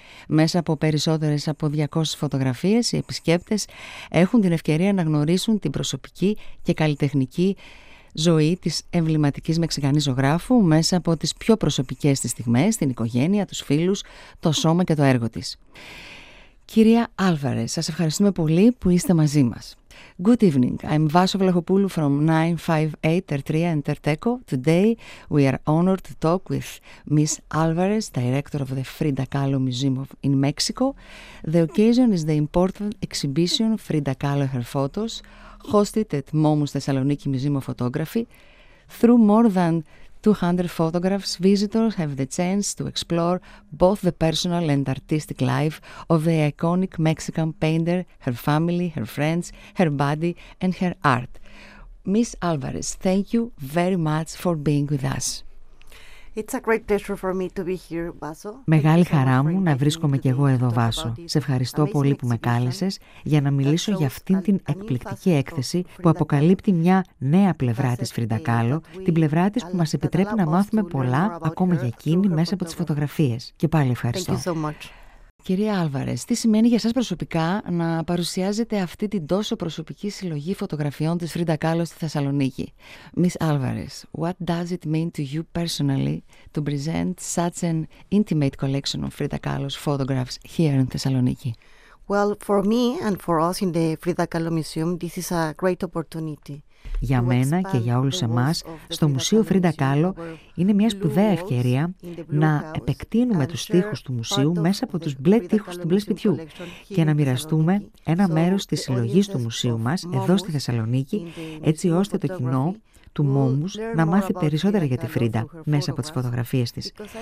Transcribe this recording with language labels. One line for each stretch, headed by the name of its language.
Greek: Μέσα από περισσότερες από 200 φωτογραφίες, οι επισκέπτες έχουν την ευκαιρία να γνωρίσουν την προσωπική και καλλιτεχνική ζωή της εμβληματικής Μεξικανής ζωγράφου μέσα από τις πιο προσωπικές της στιγμές, την οικογένεια, τους φίλους, το σώμα και το έργο της. Κυρία Άλβαρες, σας ευχαριστούμε πολύ που είστε μαζί μας.
English: Good evening, I'm Vaso Vlachopoulou from 958 Tertria and Terteco. Today we are honored to talk with Ms. Álvarez, director of the Frida Kahlo Museum in Mexico. The occasion is the important exhibition Frida Kahlo Her Photos, hosted at MOMUS Thessaloniki Museum of Photography. Through more than 200 photographs, visitors have the chance to explore both the personal and artistic life of the iconic Mexican painter, her family, her friends, her body, and her art. Ms. Álvarez, thank you very much for being with us. It's a great pleasure for me to be here, Vaso.
Greek: Μεγάλη χαρά μου να βρίσκομαι και εγώ εδώ, Βάσο. Σε ευχαριστώ πολύ που με κάλεσες για να μιλήσω για αυτήν την εκπληκτική έκθεση που αποκαλύπτει μια νέα πλευρά της Φρίντα Κάλλο, την πλευρά της που μας επιτρέπει να μάθουμε πολλά ακόμα για εκείνη μέσα από τις φωτογραφίες. Και πάλι ευχαριστώ. Κυρία Άλβαρες, τι σημαίνει για εσάς προσωπικά να παρουσιάζετε αυτή την τόσο προσωπική συλλογή φωτογραφιών της Φρίντα Κάλλο στη Θεσσαλονίκη?
English: Ms. Álvarez, what does it mean to you personally to present such an intimate collection of Frida Kahlo's photographs here in Thessaloniki? Well, for me and for us in the Frida Kahlo Museum, this is a great opportunity.
Greek: Για μένα και για όλους εμάς, στο Μουσείο Φρίντα Κάλλο είναι μια σπουδαία ευκαιρία να επεκτείνουμε τους τοίχους του μουσείου μέσα από τους μπλε τοίχους του μπλε σπιτιού και να μοιραστούμε ένα μέρος της συλλογής του μουσείου μας εδώ στη Θεσσαλονίκη, έτσι ώστε το κοινό του MOMUS να μάθει περισσότερα για τη Φρίντα μέσα από τις φωτογραφίες της.